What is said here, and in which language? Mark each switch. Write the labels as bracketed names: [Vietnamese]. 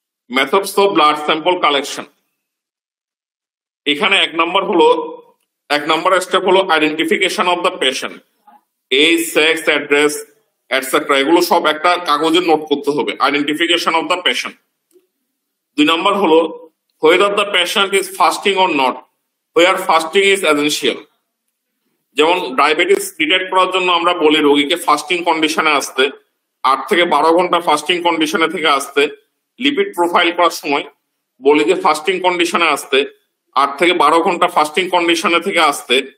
[English] methods of blood sample collection, [Bangla] এখানে এক নম্বর হলো, এক নম্বর স্টেপ হলো [English] identification of the patient, [Bangla] age, sex, address etcetera, এগুলো সব একটা কাগজে নোট করতে হবে, আইডেন্টিফিকেশন অফ দা পেশেন্ট। দুই নম্বর হলো [English] whether the patient is fasting or not, where fasting is essential. [Bangla] যেমন ডায়াবেটিস ডিটেক্ট করার জন্য আমরা বলি রোগীকে ফাস্টিং কন্ডিশনে আসতে, 8 থেকে 12 ঘন্টা ফাস্টিং কন্ডিশনে থেকে আসতে। লিপিড প্রোফাইল করার সময় বলি যে ফাস্টিং কন্ডিশনে আসতে, 8 থেকে 12 ঘন্টা ফাস্টিং কন্ডিশনে থেকে আসতে।